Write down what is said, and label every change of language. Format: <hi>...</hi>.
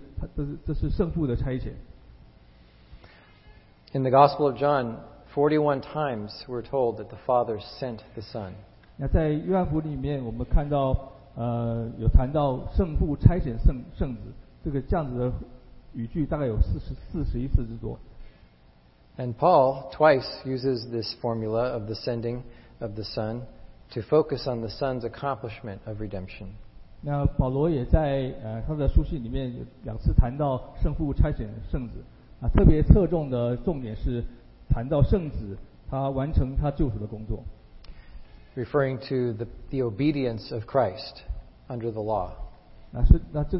<zh>OK，所以刚刚讲到，有两种发出，就是圣父差遣圣子，然后圣子有差遣圣灵。那这两种发出跟他们的宣教使命是有关系的。那圣父是差遣他在永恒里的爱子来救赎他的，来救赎圣父要赐给圣灵的这个赐给圣子的选民。所以这是圣父的差遣。</zh> <en>In the Gospel of John, 41 times we're told that the Father sent the Son.</en> <zh>那在约翰福音里面，我们看到，有谈到圣父差遣圣子，这个这样子的语句大概有四十一次之多。</zh> <en>And Paul twice uses this formula of the sending of the Son to focus on the Son's accomplishment of redemption.</en> <zh>那保罗也在他的书信里面两次谈到圣父差遣圣子，特别侧重的重点是。</zh> <en>Referring to the obedience of Christ under the law.</en>